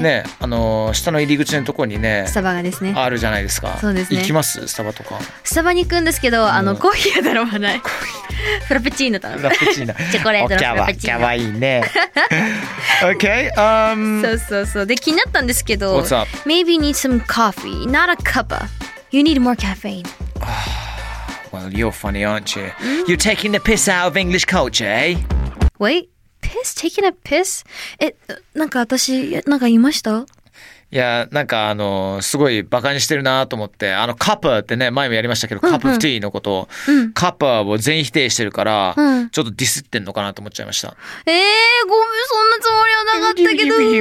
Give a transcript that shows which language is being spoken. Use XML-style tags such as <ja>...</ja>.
<ja>ね、下の入り口のところにね、スタバがですね、あるじゃないですか。そうですね。行きます、スタバとか。スタバに行くんですけど、コーヒーは頼まない。コーヒーフラペチーノ頼む。フラペチーノチョコレートのフラペチーノ。キャワいいね。OK、そうそうそう。で、気になったんですけど、</ja> <en>What's up? Maybe you need some coffee, not a cup. You need more caffeine. Well, you're funny, aren't you? You're taking the piss out of English culture, eh? Wait, piss? Taking a piss?</en> <ja>なんか私、なんか言いました？いや、なんかすごいバカにしてるなと思って、カッパーってね、前もやりましたけど、カップティーのことを、カッパーを全否定してるから、ちょっとディスってんのかなと思っちゃいました。ごめん、そんなつもりはなかったけど。</ja>